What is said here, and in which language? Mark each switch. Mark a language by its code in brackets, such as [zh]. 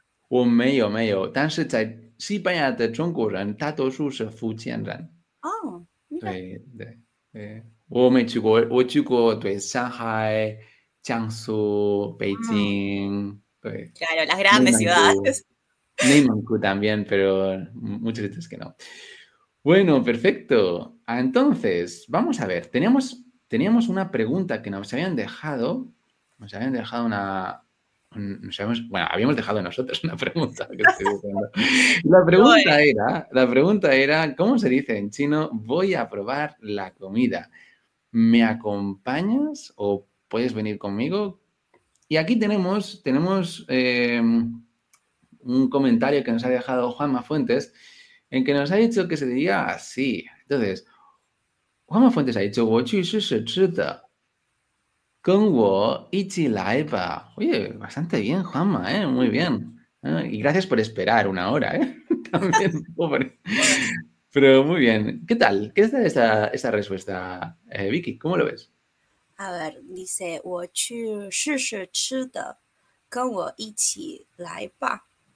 [zh] 我没有没有，但是在西班牙的中国人，大多数是福建人。 [es] 哦，mira。 [zh] 对对对，我没去过，我去过对上海、江苏、北京，对， [es] Claro, las grandes ciudades. 内蒙古también, pero muchas veces que no. Bueno, perfecto. Entonces, vamos a ver, teníamos una pregunta que nos habían dejado una. Nos habíamos, bueno, habíamos dejado nosotros una pregunta, que estoy diciendo. La pregunta era, ¿cómo se dice en chino? Voy a probar la comida. ¿Me acompañas o puedes venir conmigo? Y aquí tenemos un comentario que nos ha dejado Juanma Fuentes, en que nos ha dicho que se diría así. Entonces, Juanma Fuentes ha dicho, voy a Gengwo ichilaiba. Oye, bastante bien, Juanma, ¿eh? Muy bien. Y gracias por esperar una hora, ¿eh? También, pobre. Pero muy bien. ¿Qué tal? ¿Qué tal esa respuesta, Vicky? ¿Cómo lo ves? A ver, dice, [zh] "我去试试吃的，跟我一起来吧。